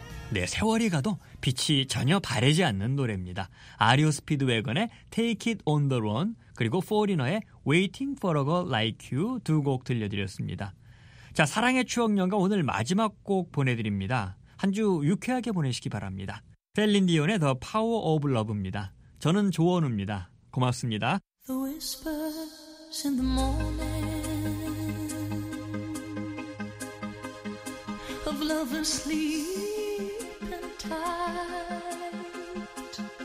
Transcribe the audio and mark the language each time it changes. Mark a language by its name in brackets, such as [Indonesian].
[Korean] 네, 세월이 가도 빛이 전혀 바래지 않는 노래입니다. 아리오 스피드웨건의 Take It On The Run 그리고 포리너의 Waiting For A Girl Like You 두 곡 들려드렸습니다. 자, 사랑의 추억연가 오늘 마지막 곡 보내드립니다. 한 주 유쾌하게 보내시기 바랍니다. 셀린 디온의 The Power of Love입니다. 저는 조원우입니다. 고맙습니다. [English] The whispers in the morning of love asleep and tight